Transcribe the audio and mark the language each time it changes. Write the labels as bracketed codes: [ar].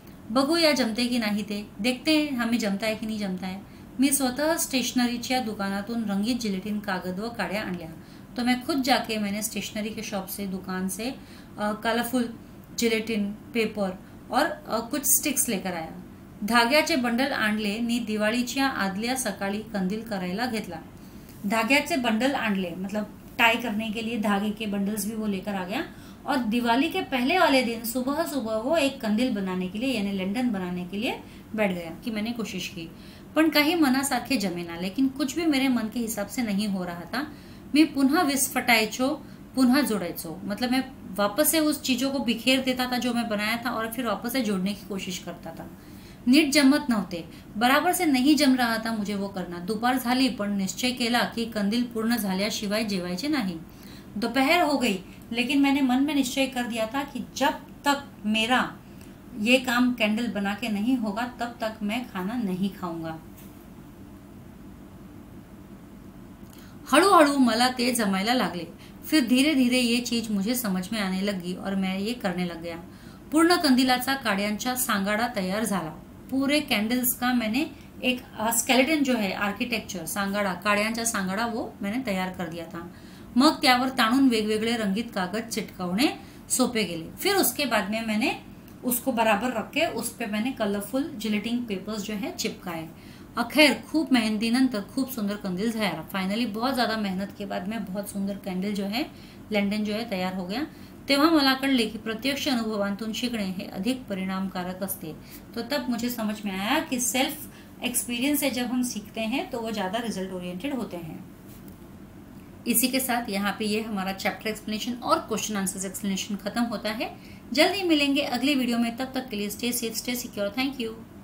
[mr] बघू या जमते की नाही ते, [hi] देखते हैं हमें जमता है कि नहीं जमता है। [mr] मी स्वतः स्टेशनरीच्या दुकानातून रंगीत जिलेटिन कागद व काड्या आणल्या, [hi] तो मैं खुद जाके मैंने स्टेशनरी के शॉप से, दुकान से कलरफुल जिलेटिन पेपर और कुछ स्टिक्स लेकर आया। [mr] धाग्याचे बंडल आणले, नी दिवाळीच्या आदल्या सकाळी कंदील करायला घेतला। धाग्याचे बंडल आणले [hi] मतलब टाई करने के लिए धागे के बंडल्स भी वो लेकर आ गया और दिवाली के पहले वाले दिन सुबह सुबह वो एक कंदील बनाने के लिए यानी लंडन बनाने के लिए बैठ गया कि मैंने कोशिश की पर कहीं [mr] मना साथे जमेना, [hi] लेकिन कुछ भी मेरे मन के हिसाब से नहीं हो रहा था। मैं पुनः [mr] विस्फटायचो पुनः जुड़ायचो, [hi] मतलब मैं वापस से उस चीजों को बिखेर देता था जो मैं बनाया था और फिर वापस से जोड़ने की कोशिश करता था। [mr] नीट जमत न होते, [hi] बराबर से नहीं जम रहा था मुझे वो करना। [mr] दुपार झाली पण निश्चय केला की कंदील पूर्ण झाल्याशिवाय जेवायचे नाही। [hi] दोपहर हो गई लेकिन मैंने मन में निश्चय कर दिया था कि जब तक मेरा ये काम कैंडल बना के नहीं होगा तब तक मैं खाना नहीं खाऊंगा। [mr] हळू हळू मला ते जमायला लागले, [hi] फिर धीरे धीरे ये चीज मुझे समझ में आने लगी और मैं ये करने लग गया। [mr] पूर्ण कंदिलाचा काड्यांचा सांगाडा तयार झाला, [hi] पूरे कैंडल्स का मैंने एक स्केलेटन जो है आर्किटेक्चर सांगाडा काड्यांचा सांगाडा वो मैंने तयार कर दिया था। [mr] मग त्यावर ताणून वेगवेगळे रंगीत कागद चिटकवणे सोपे गेले। [hi] फिर उसके बाद में मैंने उसको बराबर रख के उस पे मैंने कलरफुल जिलेटिंग पेपर्स जो है चिपकाए। [mr] अखेर खूब मेहनती नंतर खूब सुंदर कंदील तैयार। [hi] फाइनली बहुत ज्यादा मेहनत के बाद में बहुत सुंदर कैंडल जो है लंडन जो है तैयार हो गया। [mr] तेव्हा मला कळले की प्रत्यक्ष अनुभवांतून शिकणे हे अधिक परिणामकारक असते। [hi] तो तब मुझे समझ में आया कि सेल्फ एक्सपीरियंस से जब हम सीखते हैं तो वो ज्यादा रिजल्ट ओरिएंटेड होते हैं। इसी के साथ यहाँ पे ये हमारा चैप्टर एक्सप्लेनेशन और क्वेश्चन आंसर्स एक्सप्लेनेशन खत्म होता है। जल्दी मिलेंगे अगली वीडियो में, तब तक के लिए stay safe stay secure. Thank you.